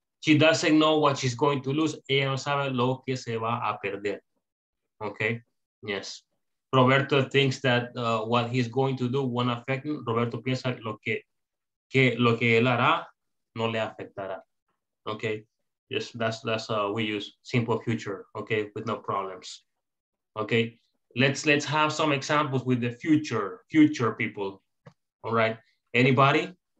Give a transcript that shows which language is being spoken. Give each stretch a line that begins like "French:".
English: She doesn't know what she's going to lose.
Spanish: Ella no sabe lo que se va a perder,
English: okay? Yes. Roberto thinks that what he's going to do won't affect him.
Spanish: Roberto piensa que lo que él hará no le afectará, okay?
English: Yes, that's we use simple future, okay, with no problems. Okay, let's have some examples with the future people. All right, anybody?